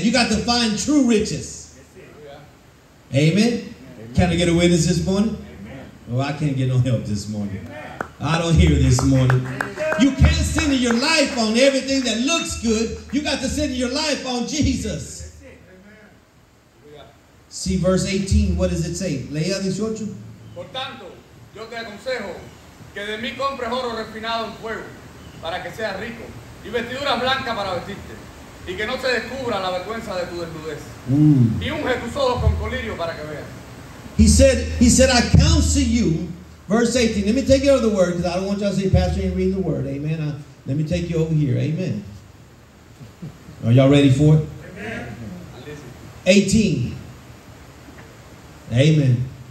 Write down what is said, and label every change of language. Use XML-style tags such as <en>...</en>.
<en>You got to find true riches. Amen. Can I get a witness this morning? Oh, I can't get no help this morning. I don't hear this morning. You can't center your life on everything that looks good. You got to center your life on Jesus. See verse 18, what does it say?</en> <es>Leía</es> <en>18.</en> <es>Por tanto, yo te aconsejo que de mí compres oro refinado en fuego para que seas rico y vestiduras blancas para vestirte y que no se descubra la vergüenza de tu desnudez. Y unge tus ojos con colirio para que veas.</es> <en>He said, I counsel you, verse 18, let me take you over the word because I don't want y'all to say, Pastor ain't reading the word, amen. Let me take you over here, amen. Are y'all ready for it? Amen. 18. Amen.</en>